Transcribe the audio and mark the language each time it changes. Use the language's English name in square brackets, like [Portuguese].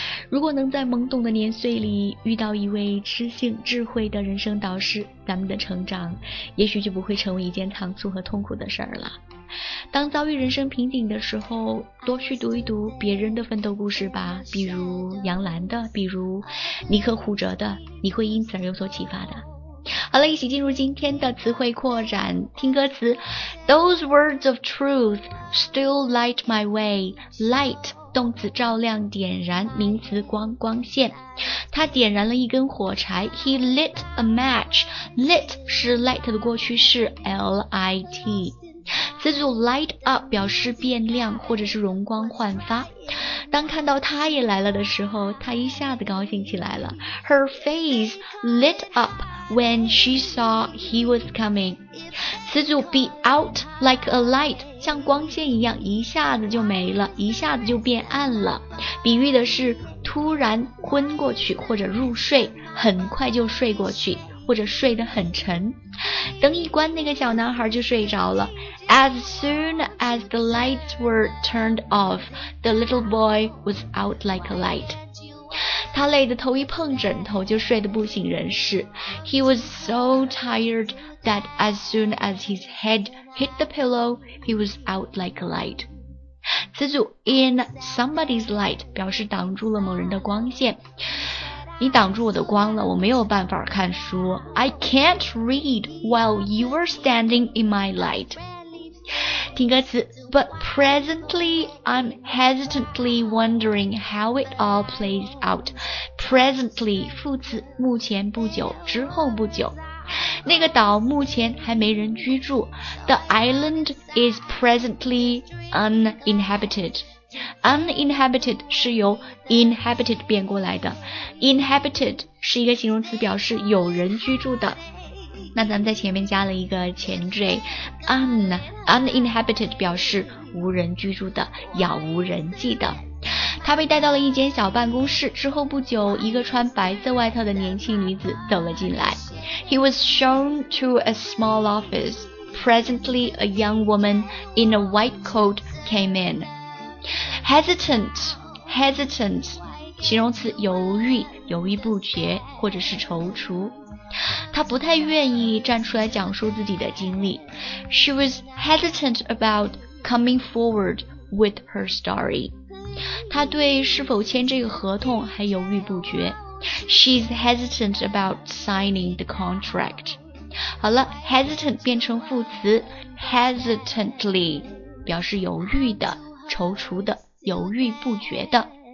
[Chinese] 如果能在懵懂的年岁里遇到一位知性智慧的人生导师，咱们的成长也许就不会成为一件仓促和痛苦的事儿了。当遭遇人生瓶颈的时候，多去读一读别人的奋斗故事吧，比如杨澜的，比如尼克胡哲的，你会因此而有所启发的。好了，一起进入今天的词汇扩展，听歌词。 [English] Those words of truth still light my way. [Chinese] Light 动词照亮点燃，名词光光线。他点燃了一根火柴， [English] He lit a match. [Chinese] Lit 是 light 的过去式， L-I-T。此组 light up 表示变亮或者是容光焕发。当看到她也来了的时候，她一下子高兴起来了。 [English] Her face lit up when she saw he was coming. [Chinese] 此组 [English] be out like a light, [Chinese] 像光线一样一下子就没了，一下子就变暗了。比喻的是突然昏过去或者入睡，很快就睡过去。或者睡得很沉，灯一关那个小男孩就睡着了。 [English] As soon as the lights were turned off, the little boy was out like a light. [Chinese] 他累得头一碰枕头就睡得不省人事。 [English] He was so tired that as soon as his head hit the pillow, he was out like a light. [Chinese] 此组 [English] in somebody's light [Chinese] 表示挡住了某人的光线。你挡住我的光了，我没有办法看书。 [English] I can't read while you are standing in my light. [Chinese] 听歌词。 [English] But presently I'm hesitantly wondering how it all plays out. [Chinese] Presently 副词，目前不久，之后不久。那个岛目前还没人居住。 [English] The island is presently uninhabited. [Chinese] Uninhabited 是由 inhabited 变过来的， inhabited 是一个形容词，表示有人居住的。那咱们在前面加了一个前缀 uninhabited 表示无人居住的，杳无人迹的。他被带到了一间小办公室，之后不久一个穿白色外套的年轻女子走了进来。 [English] He was shown to a small office. Presently a young woman in a white coat came inHesitant [Chinese] 形容词，犹豫，犹豫不决或者是踌躇。她不太愿意站出来讲述自己的经历。 [English] She was hesitant about coming forward with her story. [Chinese] 她对是否签这个合同还犹豫不决。 [English] She's hesitant about signing the contract. [Chinese] 好了， hesitant 变成副词， hesitantly 表示犹豫的，踌躇的，犹豫不决的。